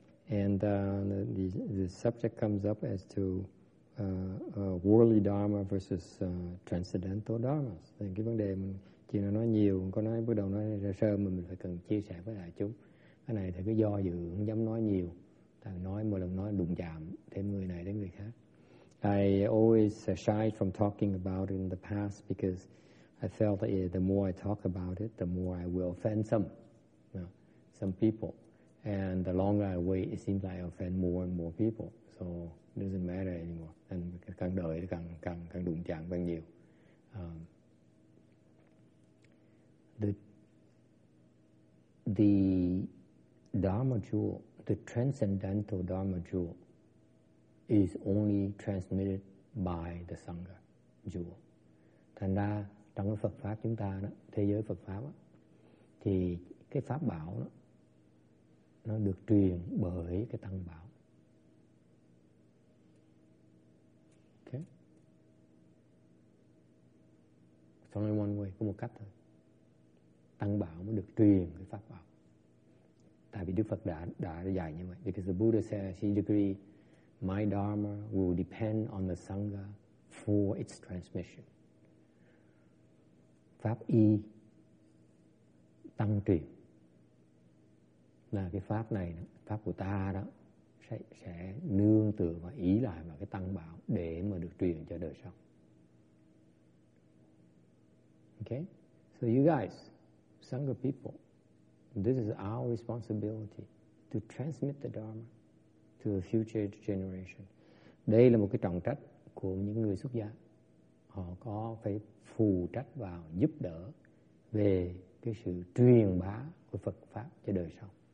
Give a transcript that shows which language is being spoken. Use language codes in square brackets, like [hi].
[en] And the subject comes up as to worldly dharma versus transcendental dharmas. [vi] Thì cái vấn đề mình chỉ nói nhiều, có nói bắt đầu nói sơ mà mình phải cần chia sẻ với đại chúng. Cái này thì cứ do dự, không dám nói nhiều. Thằng nói một lần nói đụng chạm thêm người này đến người khác. [en] I always shy from talking about it in the past because I felt that the more I talk about it, the more I will offend some people. And the longer I wait, it seems like I offend more and more people. So it doesn't matter anymore. [vi] And càng đợi càng đụng chạm càng nhiều. [en] The Dharma jewel, the transcendental Dharma jewel, is only transmitted by the Sangha jewel. [vi] Thành ra trong cái Phật pháp chúng ta đó, thế giới Phật pháp đó, thì cái pháp bảo đó, nó được truyền bởi cái tăng bảo. [en] Okay. It's only one way, [vi] có một cách thôi. Tăng bảo mới được truyền cái pháp bảo. Tại vì Đức Phật đã dạy như vậy. [en] Because the Buddha said, he decreed my Dharma will depend on the Sangha for its transmission. [vi] Pháp y tăng truyền là cái pháp này, pháp của ta đó sẽ nương tựa và ý lại vào cái tăng bảo để mà được truyền cho đời sau. [en] Okay, so you guys, Sangha people, this is our responsibility to transmit the Dharma to the future generation. [vi] Đây là một cái trọng trách của những người xuất gia. Họ có phải phụ trách vào giúp đỡ về cái sự truyền bá của Phật pháp cho đời sau.